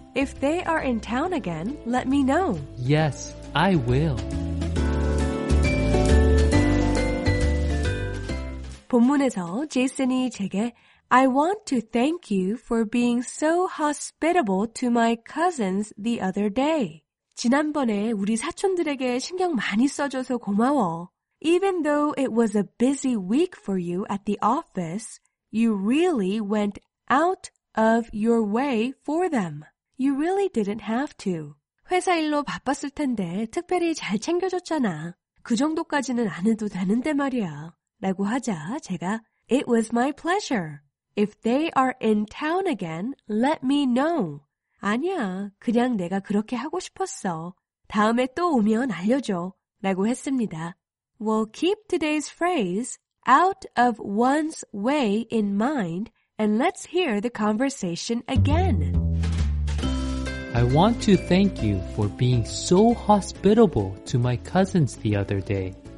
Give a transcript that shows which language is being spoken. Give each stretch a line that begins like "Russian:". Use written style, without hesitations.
English: If they are in town again, let me know. Yes, I will.
Korean: 본문에서 제이슨이 제게
English: I want to thank you for being so hospitable to my cousins the other day.
Korean: 지난번에 우리 사촌들에게 신경 많이 써줘서 고마워.
English: Even though it was a busy week for you at the office, you really went out of your way for them. You really didn't have to.
Korean: 회사 일로 바빴을 텐데 특별히 잘 챙겨줬잖아. 그 정도까지는 안 해도 되는데 말이야. 라고 하자 제가
English: It was my pleasure. If they are in town again, let me know.
Korean: 아니야, 그냥 내가 그렇게 하고 싶었어. 다음에 또 오면 알려줘. 라고 했습니다.
English: Well, keep today's phrase out of one's way in mind and let's hear the conversation again. I want to thank you for being so hospitable to my cousins the other day.